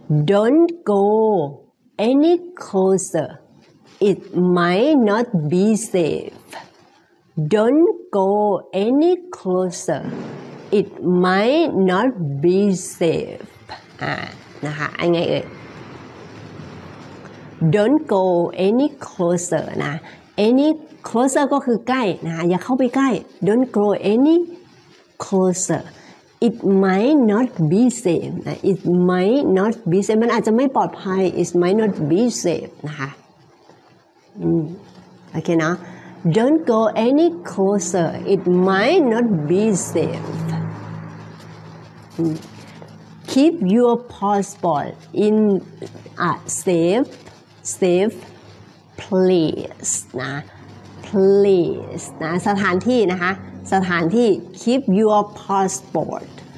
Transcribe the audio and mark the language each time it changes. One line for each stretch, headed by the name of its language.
English: Don't go any closer It might not be safe Don't go any closer It might not be safe
Thai: นะคะอันไงเอ่ย
English: Don't go any closer นะ Any closer
Thai: ก็คือใกล้นะคะอย่าเข้าไปใกล้
English: Don't go any closerIt might not be safe. It might not be safe.
Thai: มันอาจจะไม่ปลอดภัย
English: It might not be safe.
Thai: นะคะ โอเคเนาะ
English: Don't go any closer. It might not be safe. Keep your passport in a safe place.
Thai: นะ Place. นะสถานที่นะคะสถานที่
English: Keep your passport.